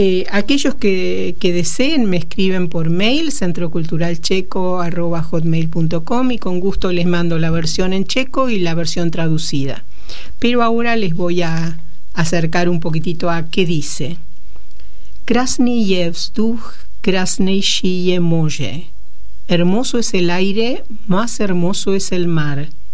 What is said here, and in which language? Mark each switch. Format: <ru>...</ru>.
<es>Aquellos que deseen me escriben por mail centroculturalcheco@hotmail.com y con gusto les mando la versión en checo y la versión traducida. Pero ahora les voy a acercar un poquitito a qué dice.</es> <cs>Krásný je vzduch, krásnější je moře.</cs> <es>Hermoso es el aire, más hermoso es el mar.</es>